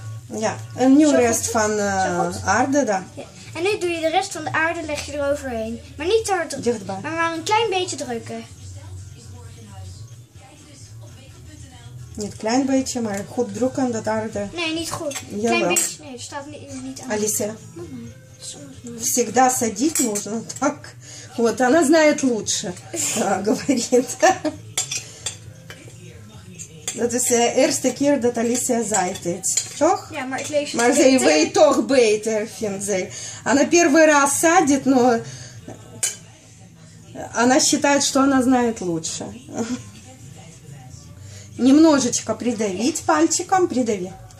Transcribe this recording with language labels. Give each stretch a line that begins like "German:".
Dutch: Ja, een nieuw rest van aarde dan. Ja. En nu doe je de rest van de aarde leg je eroverheen. Maar niet te hard drukken. Maar een klein beetje drukken. Niet klein beetje, maar goed drukken dat aarde. Nee, niet goed. Ja, klein wel. Beetje. Nee, het staat niet aan.
Russian: Алиса. Всегда садить нужно так. Вот, она знает лучше, говорит.
Dutch: Dat is de eerste keer dat Alicia zei dit, toch? Ja, maar ik lees het. Maar ze weet toch beter, vindt ze.
Russian: Она первый раз садит, но она считает, что она знает лучше. Немножечко придавить пальчиком, придави.